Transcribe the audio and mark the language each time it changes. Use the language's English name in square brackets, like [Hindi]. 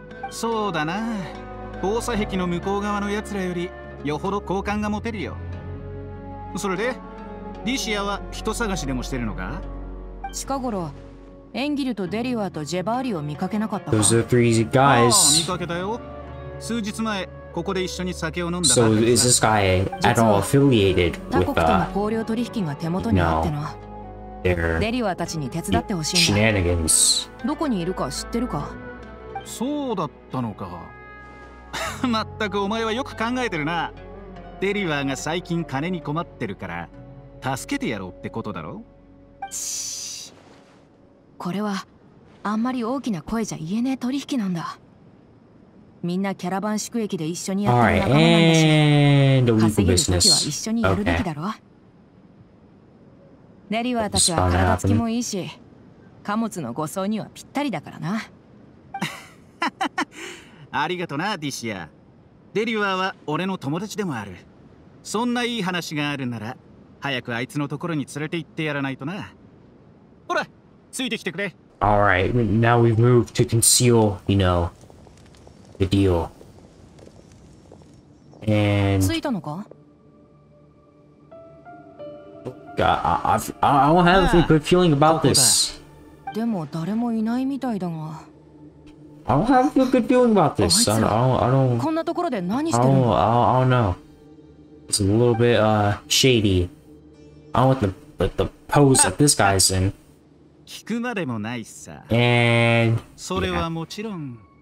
[Japanese] そうだな、防砂壁の向こう側の奴らよりよほど好感が持てるよ。それでリシアは人探しでもしてるのか？近頃エンギルとデリワーとジェバーリを見かけなかったか？ [English] Those are three guys. [Japanese] ああ、見かけたよ。数日前ここで一緒に酒を飲んだ。 [English] So is this guy at all affiliated with [Japanese] 他国との交流取引が手元にあっての。デリワーたちに手伝ってほしいんだ。どこにいるか知ってるか？そうだったのか。まったくお前はよく考えてるな。デリワーが最近金に困ってるから助けてやろうってことだろ。これはあんまり大きな声じゃ言えねえ取引なんだ。みんなキャラバン宿駅で一緒にやってる仲間なんだし、稼げる時は一緒にやるべきだろ。ネリワーたちは体つきもいいし、貨物の護送にはぴったりだからな。ありがとな、ディシア。デリワーは俺の友達でもある。そんないい話があるなら、早くあいつのところに連れて行ってやらないとな。ほら、ついてきてくれ。 [English] All right, now we've moved to conceal, you know, the deal. And... [Japanese] ついたのか？ [English] I don't have a good feeling about this. [Japanese] でも誰もいないみたいだが。 [English] I don't have a good feeling about this. I don't. [Japanese] こんなところで何してるの？ [English] I don't know. It's a little bit shady. I don't want the pose that this guy's in. [Japanese] 聞くまでもないさ。 [English] And [Japanese] それはもちろん。